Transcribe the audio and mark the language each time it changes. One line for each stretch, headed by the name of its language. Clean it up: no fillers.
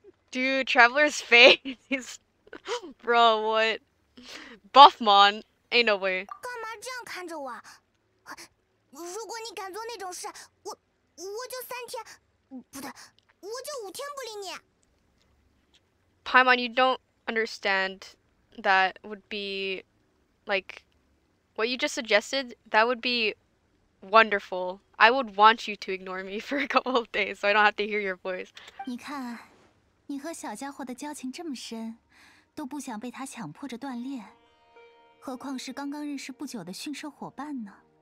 English: Dude, Traveler's face, bro, what? Buffmon, ain't no way.
Chinese: 干嘛这样看着我？如果你敢做那种事，我就三天，不对，我就五天不理你。
English: Paimon, you don't. understand that would be like what you just suggested. That would be wonderful. I would want you to ignore me for a couple of days so I don't have to hear your voice.
Chinese: 你看，你和小家伙的交情这么深，都不想被他强迫着断裂，何况是刚刚认识不久的驯兽伙伴呢？